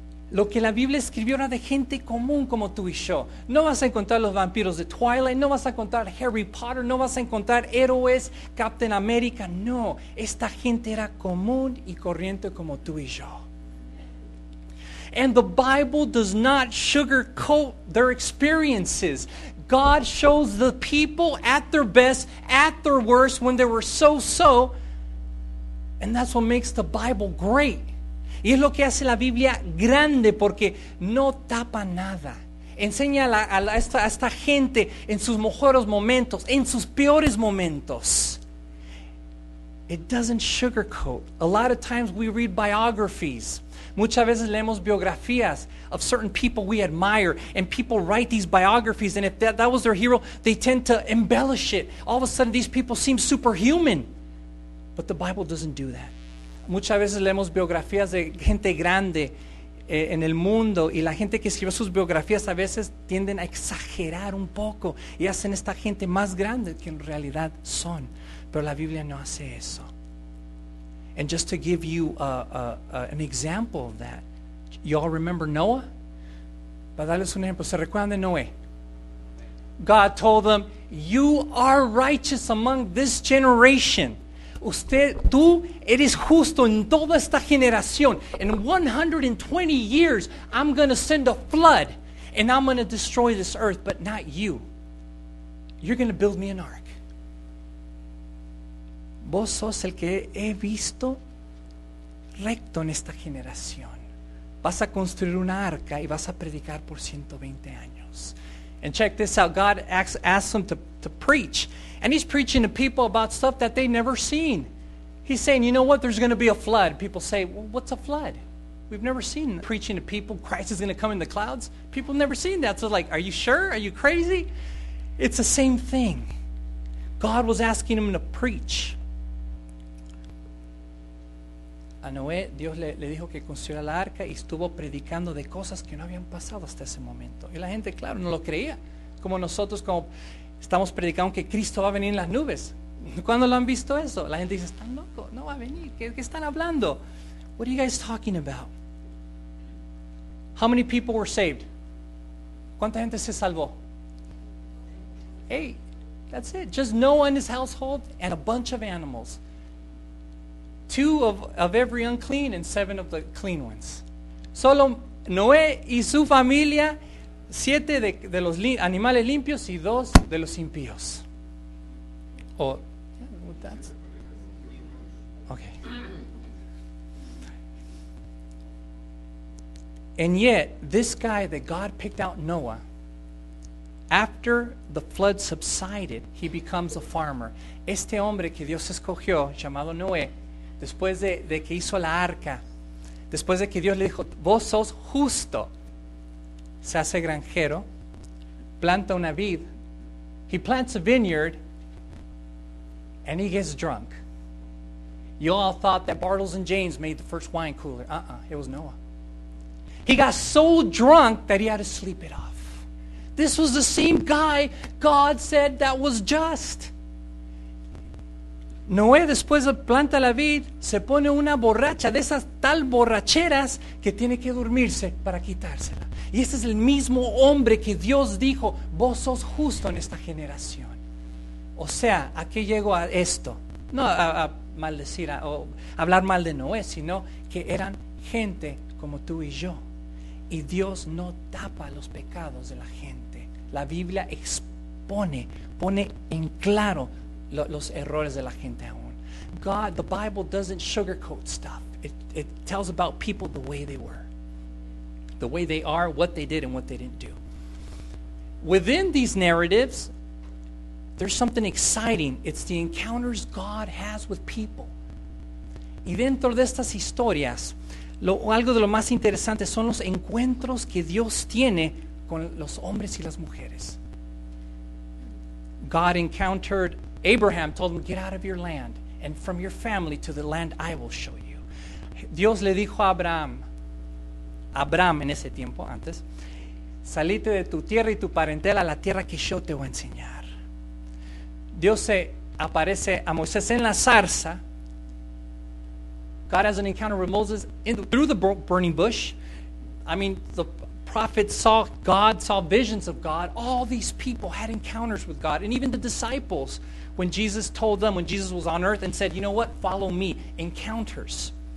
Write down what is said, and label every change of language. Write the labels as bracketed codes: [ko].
[es] Lo que la Biblia escribió era de gente común como tú y yo. No vas a encontrar los vampiros de Twilight. No vas a encontrar Harry Potter. No vas a encontrar héroes, Captain America. No, esta gente era común y corriente como tú y yo. [en] And the Bible does not sugarcoat their experiences. God shows the people at their best, at their worst, when they were so-so. And that's what makes the Bible great. [es] Y es lo que hace la Biblia grande, porque no tapa nada. Enseña a esta gente en sus mejores momentos, en sus peores momentos. [en] It doesn't sugarcoat. A lot of times we read biographies. [es] Muchas veces leemos biografías [en] of certain people we admire, and people write these biographies, and if that was their hero, they tend to embellish it. All of a sudden, these people seem superhuman. But the Bible doesn't do that. [es] Muchas veces leemos biografías de gente grande en el mundo, y la gente que escribe sus biografías a veces tienden a exagerar un poco y hacen esta gente más grande que en realidad son. Pero la Biblia no hace eso. [en] And just to give you an example of that, you all remember Noah? [es] Para darles un ejemplo, ¿se recuerdan de Noé? [en] God told them, "You are righteous among this generation." [es] Tú eres justo en toda esta generación. [en] In 120 years, I'm going to send a flood, and I'm going to destroy this earth, but not you. You're going to build me an ark. [es] Vos sos el que he visto recto en esta generación. Vas a construir una arca y vas a predicar por 120 años. [en] And check this out. God asks them to preach. And he's preaching to people about stuff that they've never seen. He's saying, you know what? There's going to be a flood. People say, well, what's a flood? We've never seen preaching to people. Christ is going to come in the clouds. People have never seen that. So like, are you sure? Are you crazy? It's the same thing. God was asking them to preach. [es] A Noé, Dios le dijo que construyera la arca y estuvo predicando de cosas que no habían pasado hasta ese momento. Y la gente, claro, no lo creía. Como nosotros, como estamos predicando que Cristo va a venir en las nubes. ¿Cuándo lo han visto eso? La gente dice, están locos, no va a venir. ¿Qué están hablando? [en] What are you guys talking about? How many people were saved? [es] ¿Cuánta gente se salvó? [en] Hey, that's it. Just Noah and his household and a bunch of animals. Two of every unclean and seven of the clean ones. [es] Solo Noé y su familia, siete de los animales limpios y dos de los impíos. [en] Okay. And yet, this guy that God picked out, Noah, after the flood subsided, he becomes a farmer. [es] Este hombre que Dios escogió, llamado Noé, después de que hizo la arca, después de que Dios le dijo, vos sos justo, se hace granjero, planta una vid, [en] he plants a vineyard, and he gets drunk. You all thought that Bartles and James made the first wine cooler. It was Noah. He got so drunk that he had to sleep it off. This was the same guy God said that was just. [es] Noé, después de planta la vid, se pone una borracha, de esas tal borracheras que tiene que dormirse para quitársela. Y este es el mismo hombre que Dios dijo, vos sos justo en esta generación. O sea, ¿a qué llego a esto? No a maldecir o hablar mal de Noé, sino que eran gente como tú y yo. Y Dios no tapa los pecados de la gente. La Biblia expone, pone en claro los errores de la gente aún. [en] God, the Bible doesn't sugarcoat stuff. It tells about people the way they were, the way they are, what they did and what they didn't do. Within these narratives, there's something exciting. It's the encounters God has with people. [es] Y dentro de estas historias, algo de lo más interesante son los encuentros que Dios tiene con los hombres y las mujeres. [en] God encountered Abraham, told him, get out of your land and from your family to the land I will show you. [es] Dios le dijo a Abraham, Abraham en ese tiempo antes, salite de tu tierra y tu parentela a la tierra que yo te voy a enseñar. Dios se aparece a Moisés en la zarza. [en] God has an encounter with Moses through the burning bush. I mean, the prophet saw God, saw visions of God. All these people had encounters with God. And even the disciples, when Jesus told them, when Jesus was on earth and said, you know what, follow me, encounters.